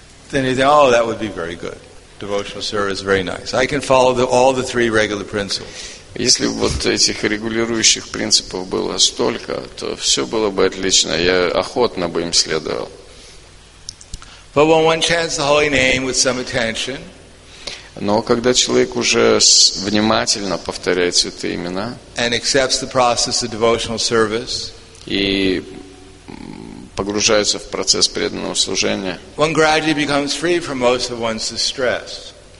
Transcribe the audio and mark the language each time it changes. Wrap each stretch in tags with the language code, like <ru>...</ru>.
<en>Then he said, "Oh, that would be very good." devotional service very nice. I can follow all the three regular principles.</en> <ru>Если бы вот этих регулирующих принципов было столько, то все было бы отлично. Я охотно бы им следовал.</ru> <en>But when one chants the holy name with some attention,</en> <ru>но когда человек уже внимательно повторяет святые имена,</ru> <en>and accepts the process of devotional service,</en> <ru>и погружается в процесс преданного служения,</ru> <en>one gradually becomes free from most of one's distress.</en>